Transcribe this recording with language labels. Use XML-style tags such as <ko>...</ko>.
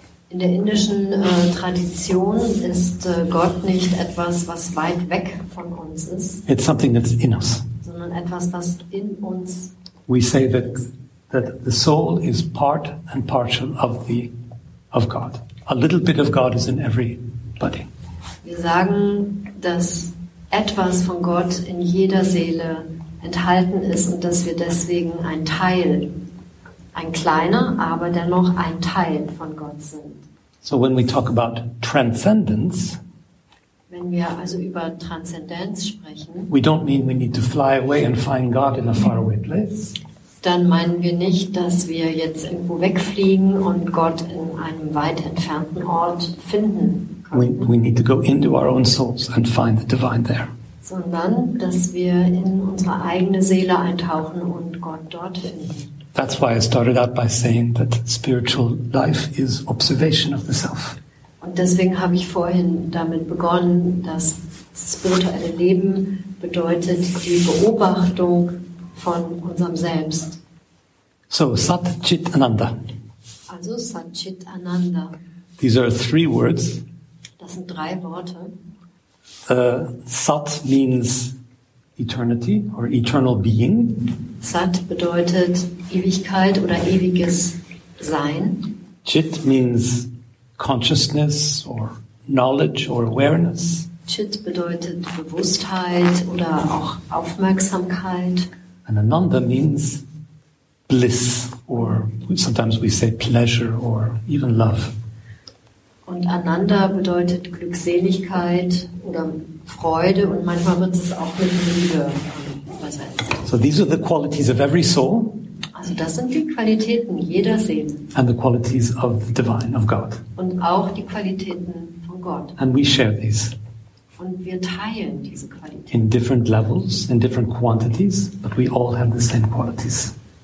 <de>In der indischen Tradition ist Gott nicht etwas, was weit weg von uns ist.</de> <en>It's something that's in us.</en> <de>Etwas, was in uns.</de> <en>We say that the soul is part and partial of the of God. A little bit of God is in everybody.</en> <de>Wir sagen, dass etwas von Gott in jeder Seele enthalten ist und dass wir deswegen ein Teil, ein kleiner, aber dennoch ein Teil von Gott sind.</de> <en>So when we talk about transcendence,</en> <de>wenn wir also über Transzendenz sprechen,</de> <en>we don't mean we need to fly away and find God in a faraway place.</en> <de>Dann meinen wir nicht, dass wir jetzt irgendwo wegfliegen und Gott in einem weit entfernten Ort finden.</de> <en>We need to go into our own souls and find the divine there.</en> <de>Sondern, dass wir in unsere eigene Seele eintauchen und Gott dort finden.</de> <en>That's why I started out by saying that spiritual life is observation of the self.</en> <de>Und deswegen habe ich vorhin damit begonnen, dass spirituelle Leben bedeutet die Beobachtung von unserem Selbst.</de> <en>So, Sat, Chit, Ananda.</en> <de>Also Sat, Chit, Ananda.</de> <en>These are three words.</en> <de>Das sind drei Worte.</de> <en>Sat means eternity or eternal being.</en> <de>Sat bedeutet Ewigkeit oder ewiges Sein.</de> <en>Chit means consciousness or knowledge or awareness.</en> <de>Chit bedeutet Bewusstheit oder auch Aufmerksamkeit.</de> <en>And Ananda means bliss, or sometimes we say pleasure or even love.</en> <de>Und Ananda bedeutet Glückseligkeit oder Freude, und manchmal wird es auch mit Liebe übersetzt.</de> <en>So these are the qualities of every soul.</en> <de>Also das sind die Qualitäten jeder Seele.</de> <en>And the qualities of the divine, of God.</en> <de>Und auch die Qualitäten von Gott.</de> <en>And we share these.</en> <de>Und wir teilen diese Qualitäten.</de> <en>In different levels, in different quantities, but we all have the same qualities.</en>